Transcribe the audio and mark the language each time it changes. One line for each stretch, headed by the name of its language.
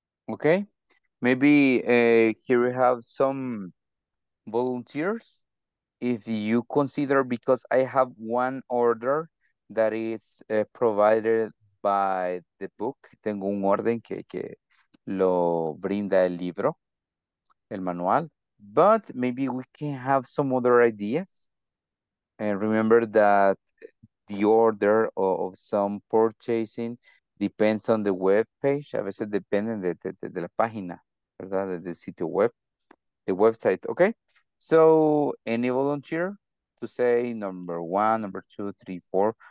English: Okay, maybe here we have some volunteers. If you consider, because I have one order that is provided by the book.
Spanish: Tengo un orden que lo brinda el libro, el manual.
English: But maybe we can have some other ideas. And remember that the order of some purchasing depends on the web page.
Spanish: A veces depende de la página, ¿verdad? De sitio web,
English: the website, okay? So, any volunteer to say number one, number two, three, four?